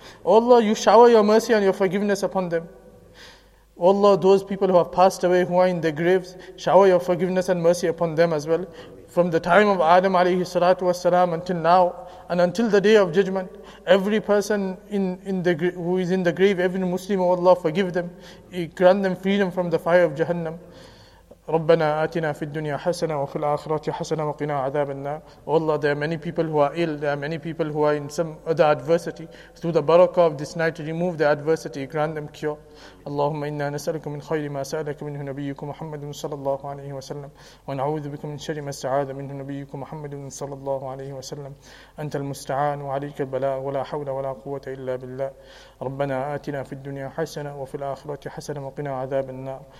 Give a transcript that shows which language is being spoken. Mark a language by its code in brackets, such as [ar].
[en] Oh Allah, you shower your mercy and your forgiveness upon them. Oh Allah, those people who have passed away, who are in their graves, shower your forgiveness and mercy upon them as well. From the time of Adam alayhi salatu wasalam until now, and until the day of judgment, every person who is in the grave, every Muslim, oh Allah, forgive them. Grant them freedom from the fire of Jahannam. [ar] ربنا آتنا في الدنيا حسنة وفي الآخرة حسنة وقنا عذاب النار. [en] Oh Allah, there are many people who are ill, there are many people who are in some other adversity. Through the barakah of this night, remove the adversity, grant them cure. [ar] اللهم إنا نسألك من خير ما سألك منه نبيك محمد صلى الله عليه وسلم ونعوذ بك من شر ما استعاذ منه نبيك محمد صلى الله عليه وسلم. أنت المستعان وعليك البلاء ولا حول ولا قوة إلا بالله. ربنا آتنا في الدنيا حسنة وفي الآخرة حسنة وقنا عذاب النار.